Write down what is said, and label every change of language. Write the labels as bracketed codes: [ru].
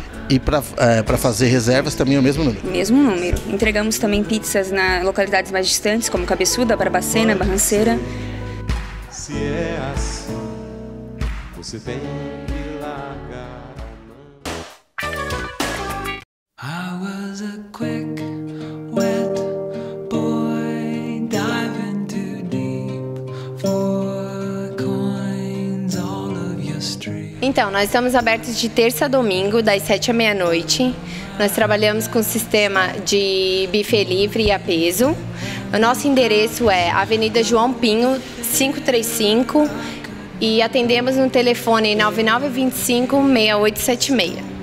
[pt] E para fazer reservas também é o mesmo número? Mesmo número. Entregamos também pizzas nas localidades mais distantes, como Cabeçuda, Barbacena, Barranceira. Se é assim, você tem que largar a mão. [en] I was a quick, wet boy, diving too deep for coins all of your street. [pt] Então, nós estamos abertos de terça a domingo, das 7 à meia-noite. Nós trabalhamos com sistema de buffet livre e a peso. O nosso endereço é Avenida João Pinho, 535, e atendemos no telefone 9925-6876.